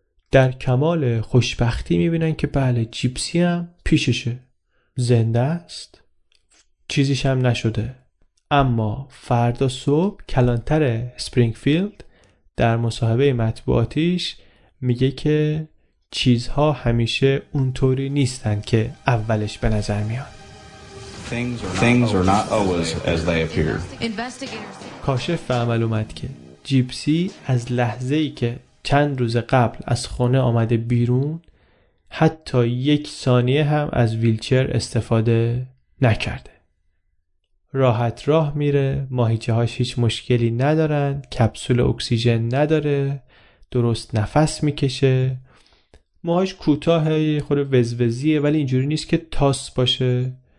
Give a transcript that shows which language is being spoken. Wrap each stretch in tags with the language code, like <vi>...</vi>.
<fa>در کمال خوشبختی میبینن که بله جیپسی هم پیششه، زنده است، چیزیش هم نشده. اما فردا صبح کلانتر اسپرینگفیلد در مصاحبه مطبوعاتیش میگه که چیزها همیشه اونطوری نیستن که اولش به نظر میان.</fa> <en>Things are not always as they appear.</en> <fa>کاشف به عمل اومد که جیپسی از لحظه ای که چند روز قبل از خونه آمده بیرون، حتی 1 ثانیه هم از ویلچر استفاده نکرده. راحت راه میره، ماهیچه‌هاش هیچ مشکلی ندارن، کپسول اکسیژن نداره، درست نفس میکشه، موهاش کوتاهه، خوره وزوزیه، ولی اینجوری نیست که تاس باشه.</fa>